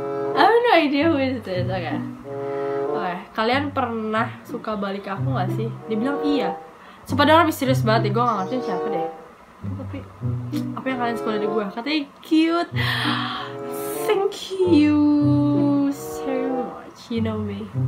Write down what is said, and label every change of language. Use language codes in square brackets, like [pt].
[en] I have no idea who it is, okay. [id] Oke, kalian pernah suka balik ke aku gak sih? Dia bilang iya. Sumpah dia lebih serius banget deh, gue gak ngerti siapa deh. Tapi, apa yang kalian suka dari gue? Katanya cute. [en] Thank you so much, you know me.